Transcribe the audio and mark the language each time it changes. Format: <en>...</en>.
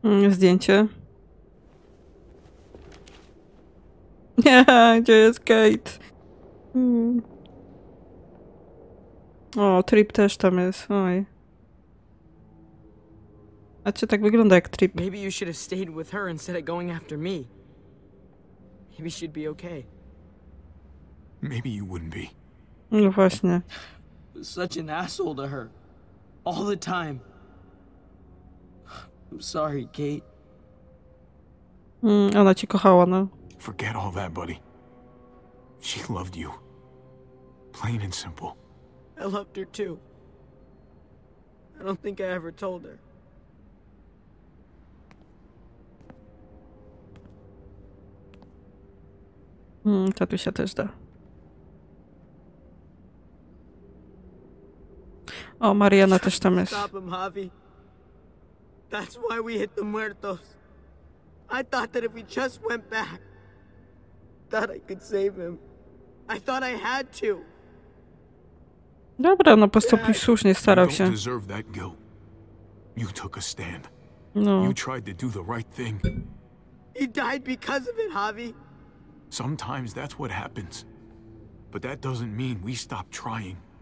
<pl>Zdjęcie. Nie, gdzie jest Kate? O, Trip też tam jest, oj. A czy tak wygląda jak Trip?</pl> <en>Maybe you should have stayed with her instead of going after me. Maybe she'd be okay. Maybe you wouldn't be.</en> <pl>No właśnie.</pl> <en>Such an asshole to her. All the time. I'm sorry, Kate.</en> <pl>Ona cię kochała, no.</pl> <en>Forget all that, buddy. She loved you. Plain and simple. I loved her too. I don't think I ever told her.</en> <pl>Tatusia też da. O, Mariana też tam jest.</pl> <en>That's why we hit the muertos. I thought that if we just went back, that I could save him. I thought I had to.</en> <pl>Dobra, no postąpił słusznie, starał się.</pl> <en>You don't deserve that guilt. You took a stand. No. You tried to do the right thing. He died because of it, Javi. Sometimes that's what happens. But that doesn't mean we stop trying.</en>